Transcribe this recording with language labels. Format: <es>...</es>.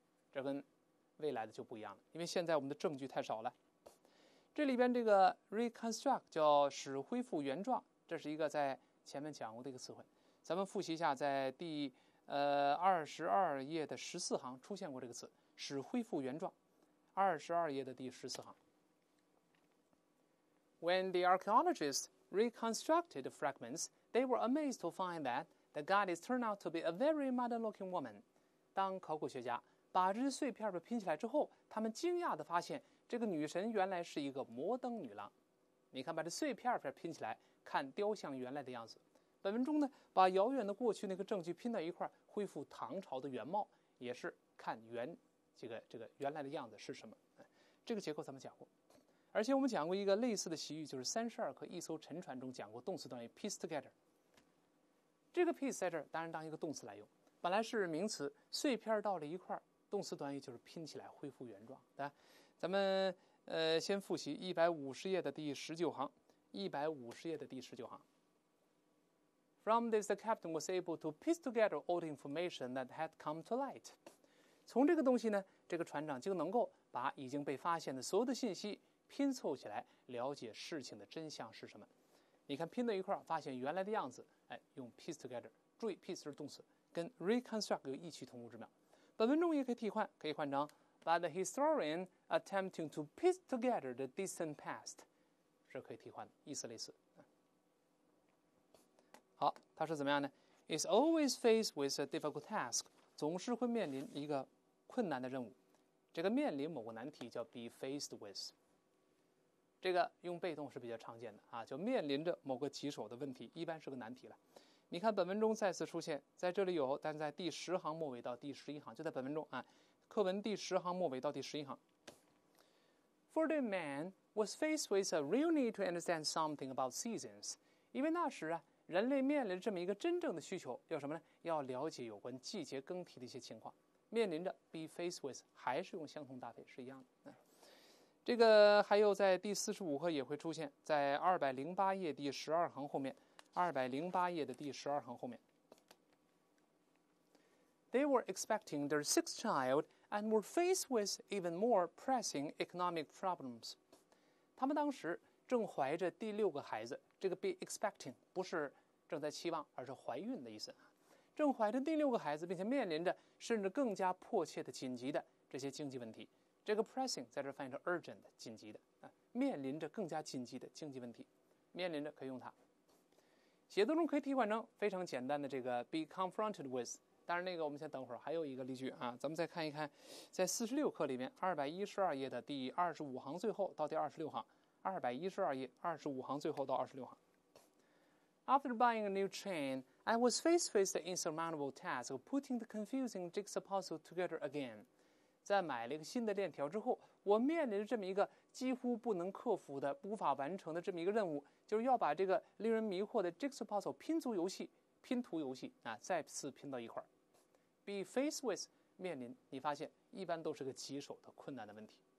<zh>这跟未来的就不一样了，因为现在我们的证据太少了。这里边这个 reconstruct 叫使恢复原状，这是一个在前面讲过的一个词汇。咱们复习一下，在第22页的14行出现过这个词，使恢复原状。 22页的第14行</zh> <en>，When the archaeologists reconstructed the fragments, they were amazed to find that the goddess turned out to be a very modern-looking woman.</en> <zh>当考古学家把这些碎片拼起来之后，他们惊讶地发现这个女神原来是一个摩登女郎。你看，把这碎片拼起来，看雕像原来的样子。本文中呢，把遥远的过去那个证据拼到一块，恢复唐朝的原貌，也是看原这个原来的样子是什么。这个结构咱们讲过，而且我们讲过一个类似的习语，就是32课一艘沉船中讲过动词短语 piece together。这个 piece 在这儿当然当一个动词来用，本来是名词，碎片到了一块，动词短语就是拼起来恢复原状。来，咱们先复习150页的第19行，150页的第19行。</zh> <en>From this, the captain was able to piece together old information that had come to light.</en> <zh>从这个东西呢，这个船长就能够把已经被发现的所有的信息拼凑起来，了解事情的真相是什么。你看，拼到一块儿，发现原来的样子，哎，用 piece together。注意 ，piece 是动词，跟 reconstruct 有异曲同工之妙。本文中也可以替换，可以换成</zh> <en>by the historian attempting to piece together the distant past，</en> <zh>是可以替换的，意思类似。好，他说怎么样呢 ？</zh> <en>Is always faced with a difficult task，</en> <zh>总是会面临一个困难的任务。这个面临某个难题叫 be faced with， 这个用被动是比较常见的啊，就面临着某个棘手的问题，一般是个难题了。你看本文中再次出现，在这里有，但在第10行末尾到第11行，就在本文中啊，课文第10行末尾到第11行。</zh> <en>For the man was faced with a real need to understand something about seasons，</en> <zh>因为那时啊。人类面临这么一个真正的需求，要什么呢？要了解有关季节更替的一些情况。面临着 be faced with， 还是用相同搭配是一样的。这个还有在第45课也会出现，在208页第12行后面，208页的第12行后面。</zh> <en>They were expecting their sixth child and were faced with even more pressing economic problems.</en> <zh>他们当时正怀着第6个孩子。这个 be expecting 不是正在期望，而是怀孕的意思。正怀着第6个孩子，并且面临着甚至更加迫切的紧急的这些经济问题。这个 pressing 在这翻译成 urgent 紧急的，面临着更加紧急的经济问题，面临着可以用它。写作中可以替换成非常简单的这个 be confronted with， 当然那个我们先等会儿，还有一个例句啊，咱们再看一看，在46课里面212页的第25行最后到第26行。 212页25行最后到26行。</zh> <en>After buying a new train, I was faced with the insurmountable task of putting the confusing jigsaw puzzle together again.</en> <zh>在买了一个新的链条之后，我面临着这么一个几乎不能克服的、无法完成的这么一个任务，就是要把这个令人迷惑的 jigsaw puzzle 拼图游戏啊，再次拼到一块。 Be faced with 面临，你发现一般都是个棘手的、困难的问题。</zh>